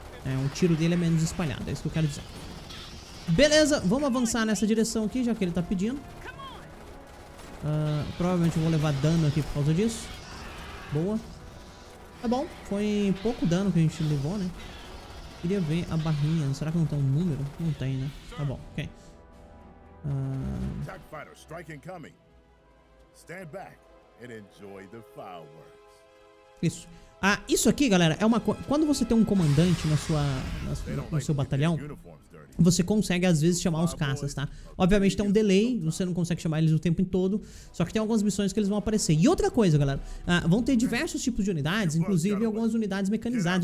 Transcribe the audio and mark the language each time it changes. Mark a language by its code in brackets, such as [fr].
[pt] É, o tiro dele é menos espalhado. É isso que eu quero dizer. Beleza, vamos avançar nessa direção aqui, já que ele tá pedindo. Provavelmente eu vou levar dano aqui por causa disso. Boa. Tá bom, foi pouco dano que a gente levou, né? Queria ver a barrinha. Será que não tem um número? Não tem, né? Tá bom, ok. [en] Attack fighter, strike incoming. Stand back and enjoy the fireworks. [pt] Isso. Ah, isso aqui, galera, é uma coisa... Quando você tem um comandante na sua, no seu batalhão, você consegue, às vezes, chamar os caças, tá? Obviamente, tem um delay, você não consegue chamar eles o tempo em todo, só que tem algumas missões que eles vão aparecer. E outra coisa, galera, vão ter diversos tipos de unidades, inclusive algumas unidades mecanizadas.